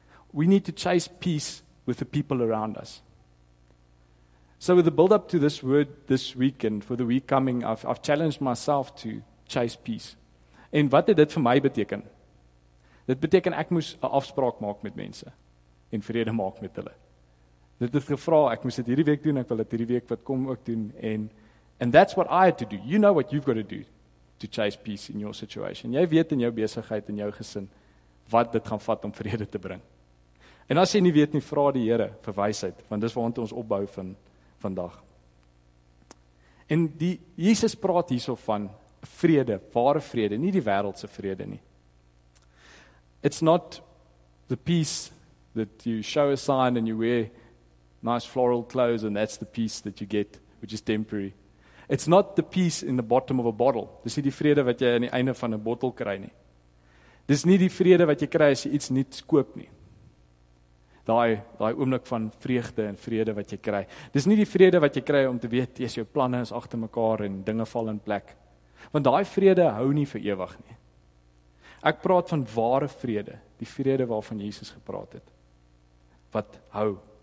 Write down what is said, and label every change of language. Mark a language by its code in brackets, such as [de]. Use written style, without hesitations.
[en] We need to chase peace with the people around us. So with the build up to this word this week and for the week coming, I've challenged myself to chase peace. [af] En wat het dit vir my beteken? Dit beteken ek moes 'n afspraak maak met mense en vrede maak met hulle. Dit is gevra, ek moes dit hierdie week doen, ek wil dit hierdie week wat kom ook doen [en] and that's what I had to do. You know what you've got to do to chase peace in your situation. [af] Jy weet in jou besigheid en jou gesin wat dit gaan vat om vrede te bring. En as jy nie weet nie, vra die Here vir wysheid, want dis waarna ons opbou van vandag. En die Jesus praat hierso van vrede, ware vrede, nie die wêreldse vrede nie. [en] It's not the peace that you show a sign and you wear nice floral clothes and that's the peace that you get, which is temporary. It's not the peace in the bottom of a bottle. [af] Dis nie die vrede wat jy aan die einde van 'n bottel kry nie. Dis nie die vrede wat jy kry as jy iets nuuts koop nie. Daai oomblik van vreugde en vrede wat jy kry. Dis nie die vrede wat jy kry om te weet jy's jou planne is agter mekaar en dinge val in plek. Want daai vrede hou nie vir ewig nie. Ek praat van ware vrede, die vrede waarvan Jesus gepraat het, wat hou.